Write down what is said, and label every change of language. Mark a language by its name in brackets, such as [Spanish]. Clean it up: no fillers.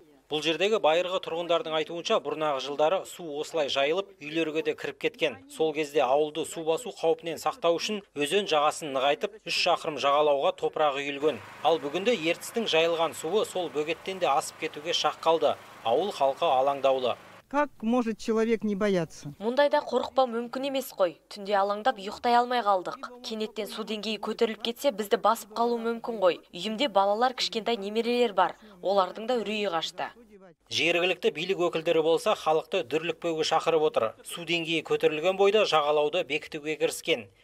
[Kazakh] Бұл жердегі байырғы тұрғындардың айтуынша бұрнағы жылдары су осылай жайылып үйлерге де кіріп кеткен. Сол кезде ауылды су басу қауіпінен сақтау үшін өзен жағасын нығайтып 3 шақырым жағалауға топырағы үйілген. Ал бүгінде Ертістің жайылған суы сол бөгеттен де асып кетуге шақ қалды. Ауыл халқы алаңдаулы. [Russian] Как может человек не бояться? [Kazakh] Мұндайда қорықпа мүмкін емес қой. Түнде алаңдап ұйықтай алмай қалдық. Кенеттен су деңгейі көтеріліп кетсе, бізді басып қалу мүмкін қой. Үйімде балалар, кішкентай немерелер бар. Олардың да үрейі қашты. Жергілікті билік өкілдері болса, халықты дүрлікпеуге шақырып отыр. Су деңгейі көтерілген бойда жағалауды бекітуге кіріскен.